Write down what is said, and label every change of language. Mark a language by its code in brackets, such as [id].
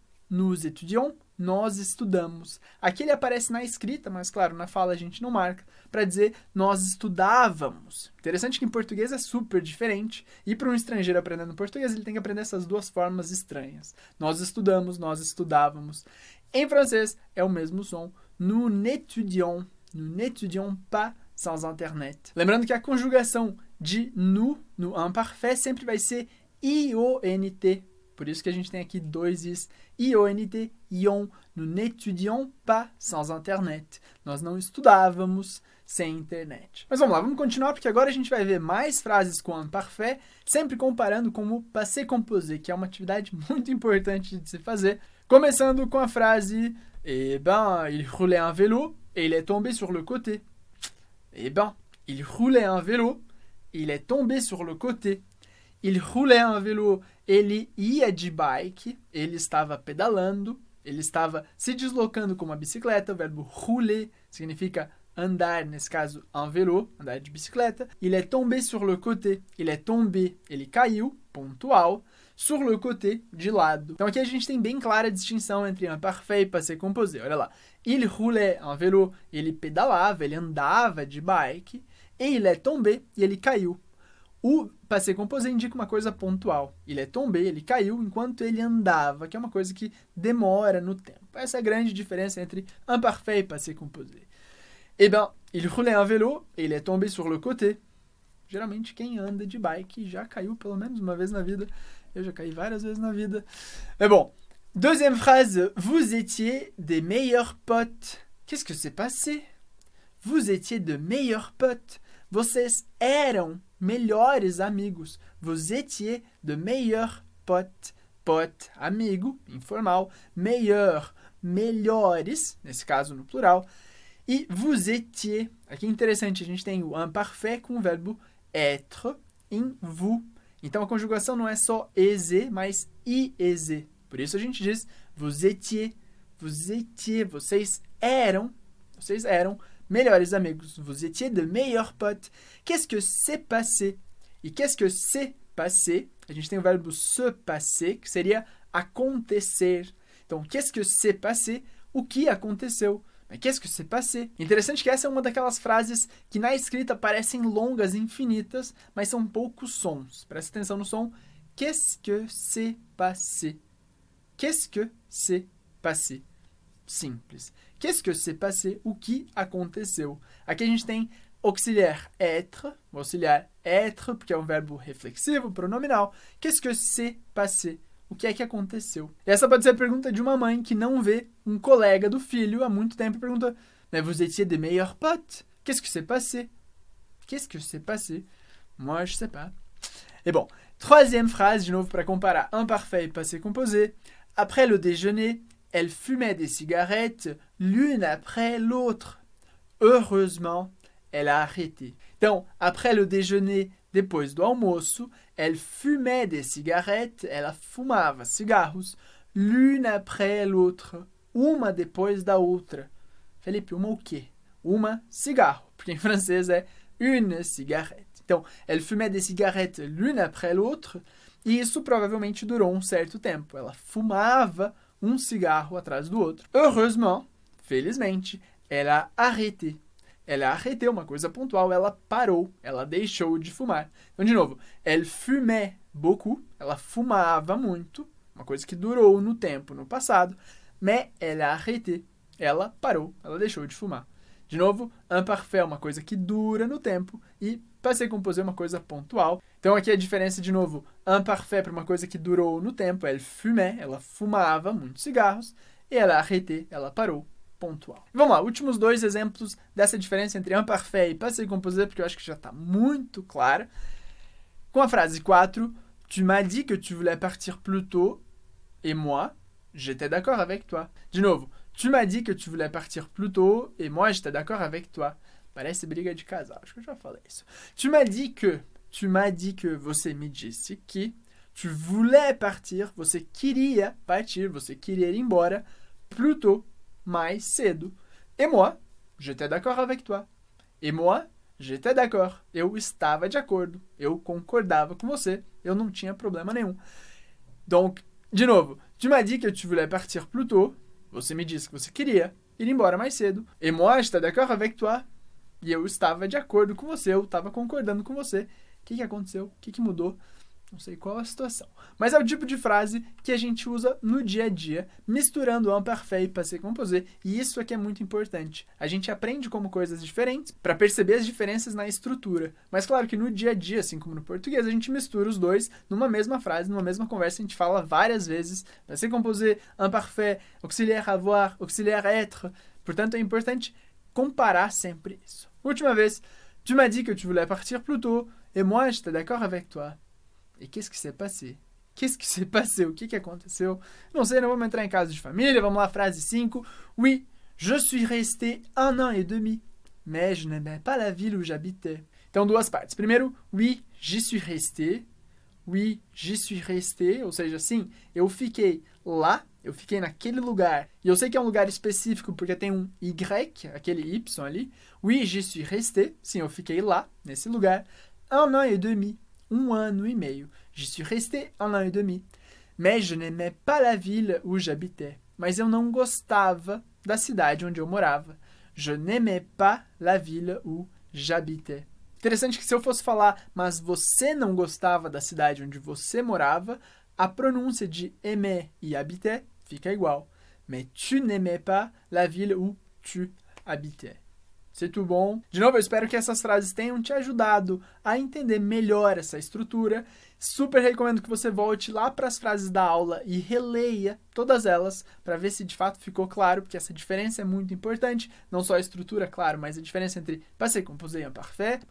[fr] Nous étudions, [pt] nós estudamos. Aqui ele aparece na escrita, mas claro, na fala a gente não marca, para dizer nós estudávamos. Interessante que em português é super diferente, e para um estrangeiro aprendendo português, ele tem que aprender essas duas formas estranhas. Nós estudamos, nós estudávamos. Em francês é o mesmo som. [fr] Nous n'étudions pas sans internet. [pt] Lembrando que a conjugação de nous, no imparfait, sempre vai ser I-O-N-T. Por isso que a gente tem aqui dois is. I-O-N-T, ion. [fr] Nous n'étudions pas sans internet. [pt] Nós não estudávamos sem internet. Mas vamos lá, vamos continuar, porque agora a gente vai ver mais frases com imparfait, sempre comparando com o passé composé, que é uma atividade muito importante de se fazer. Começando com a frase... [fr] Eh ben, il roulait un vélo et il est tombé sur le côté. Eh ben, il roulait un vélo et il est tombé sur le côté. Il roulait un vélo, [pt] ele ia de bike, ele estava pedalando, ele estava se deslocando com uma bicicleta. O verbo rouler significa andar, nesse caso, un vélo, andar de bicicleta. [fr] Il est tombé sur le côté, il est tombé, [pt] ele caiu, pontual. Sur le côté, de lado. Então aqui a gente tem bem clara a distinção entre imparfait e passé composé. Olha lá. [fr] Il roulait un vélo. [pt] Ele pedalava, ele andava de bike. [fr] Et il est tombé. [pt] E ele caiu. O passé composé indica uma coisa pontual. Il est tombé. Ele caiu enquanto ele andava, que é uma coisa que demora no tempo. Essa é a grande diferença entre imparfait e passé composé. [fr] Eh bien, il roulait un vélo. Il est tombé sur le côté. [pt] Geralmente quem anda de bike já caiu pelo menos uma vez na vida. Eu já caí várias vezes na vida. Mas bom, [fr] deuxième phrase. Vous étiez des meilleurs potes. Qu'est-ce que s'est passé? Vous étiez de meilleurs potes. [pt] Vocês eram melhores amigos. [fr] Vous étiez de meilleurs potes. [pt] Pote, amigo, informal. Meilleur, melhores, nesse caso no plural. [fr] E vous étiez. [pt] Aqui é interessante, a gente tem o imparfait com o verbo être em vous. Então, a conjugação não é só eze, mas ieze. Por isso, a gente diz vous étiez, vocês eram melhores amigos. [fr] Vous étiez de meilleurs potes. Qu'est-ce que s'est passé? E qu'est-ce que s'est passé? [pt] A gente tem o verbo se passer, que seria acontecer. [fr] Então, qu'est-ce que s'est passé? [pt] O que aconteceu? [fr] Mas qu'est-ce que s'est passé? [pt] Interessante que essa é uma daquelas frases que na escrita parecem longas e infinitas, mas são poucos sons. Presta atenção no som. Qu'est-ce que s'est passé? [fr] Qu'est-ce que s'est passé? Simples. Qu'est-ce que s'est passé? [pt] O que aconteceu? Aqui a gente tem auxiliaire être, auxiliaire être, porque é um verbo reflexivo, pronominal. [fr] Qu'est-ce que s'est passé? [pt] O que é que aconteceu? Essa pode ser a pergunta de uma mãe que não vê um colega do filho há muito tempo e pergunta mais [fr] vous étiez de meilleurs potes? Qu'est-ce que s'est passé? Qu'est-ce que s'est passé? Moi, je sais pas. Et bon, troisième phrase, [pt] de novo, para comparar [fr] imparfait et passé composé. Après le déjeuner, elle fumait des cigarettes l'une après l'autre. Heureusement, elle a arrêté. Então, après le déjeuner, [pt] depois do almoço, [fr] elle fumait des cigarettes, [pt] ela fumava cigarros, [fr] l'une après l'autre, [pt] uma depois da outra. Felipe, uma o quê? Uma cigarro, porque em francês é une cigarette. Então, [fr] elle fumait des cigarettes l'une après l'autre, [pt] e isso provavelmente durou um certo tempo. Ela fumava um cigarro atrás do outro. [fr] Heureusement, felizmente, elle a arrêté. [pt] Elle a arrêté, uma coisa pontual, ela parou, ela deixou de fumar. Então, de novo, [fr] elle fumait beaucoup, [pt] ela fumava muito, uma coisa que durou no tempo, no passado. [fr] Mais elle a arrêté, [pt] ela parou, ela deixou de fumar. De novo, imparfait, uma coisa que dura no tempo, e passé composé, uma coisa pontual. Então, aqui a diferença, de novo, imparfait para uma coisa que durou no tempo, [fr] elle fumait, [pt] ela fumava muitos cigarros, e [fr] elle a arrêté, [pt] ela parou. Pontual. Vamos lá, últimos dois exemplos dessa diferença entre imparfait e passé composé, porque eu acho que já está muito clara. Com a frase 4, [fr] tu m'as dit que tu voulais partir plus tôt, et moi, j'étais d'accord avec toi. De novo, tu m'as dit que tu voulais partir plus tôt, et moi, j'étais d'accord avec toi. [pt] Parece briga de casal, acho que eu já falei isso. [fr] Tu m'as dit que, [pt] você me disse que, [fr] tu voulais partir, [pt] você queria partir, você queria ir embora, [fr] plus tôt. [pt] Mais cedo. [fr] Et moi, j'étais d'accord avec toi. Et moi, j'étais d'accord. [pt] Eu estava de acordo. Eu concordava com você. Eu não tinha problema nenhum. [fr] Donc, [pt] de novo, [fr] tu m'as dit que tu voulais partir plus tôt. [pt] Você me disse que você queria ir embora mais cedo. [fr] Et moi, j'étais d'accord avec toi. [pt] E eu estava de acordo com você. Eu estava concordando com você. O que aconteceu? O que mudou? Não sei qual a situação. Mas é o tipo de frase que a gente usa no dia a dia, misturando imparfait e passé composé. E isso é que é muito importante. A gente aprende como coisas diferentes para perceber as diferenças na estrutura. Mas claro que no dia a dia, assim como no português, a gente mistura os dois numa mesma frase, numa mesma conversa. A gente fala várias vezes passé composé, imparfait, auxiliaire avoir, auxiliaire être. Portanto, é importante comparar sempre isso. Última vez. [fr] Tu m'as dit que tu voulais partir plus tôt. Et moi, j'étais d'accord avec toi. [pt] E [fr] qu'est-ce qui s'est passé? [pt] O que que aconteceu? Não sei, não vamos entrar em casa de família. Vamos lá, frase 5. [fr] Oui, je suis resté un an et demi, mais je n'aimais pas la ville où j'habitais. [pt] Então, duas partes. [fr] Primeiro, oui, j'y suis resté. [pt] Ou seja, sim, eu fiquei lá, eu fiquei naquele lugar. E eu sei que é um lugar específico porque tem um Y, aquele Y ali. [fr] Oui, j'y suis resté. [pt] Sim, eu fiquei lá, nesse lugar. [fr] Un an et demi. [pt] Um ano e meio. [fr] J'y suis resté un an et demi. Mais je n'aimais pas la ville où j'habitais. [pt] Mas eu não gostava da cidade onde eu morava. [fr] Je n'aimais pas la ville où j'habitais. [pt] Interessante que se eu fosse falar, mas você não gostava da cidade onde você morava, a pronúncia de aimer e habiter fica igual. [fr] Mais tu n'aimais pas la ville où tu habitais. C'est tout bon. [pt] De novo, eu espero que essas frases tenham te ajudado a entender melhor essa estrutura. Super recomendo que você volte lá para as frases da aula e releia todas elas para ver se de fato ficou claro, porque essa diferença é muito importante. Não só a estrutura, claro, mas a diferença entre passé composé e imparfait.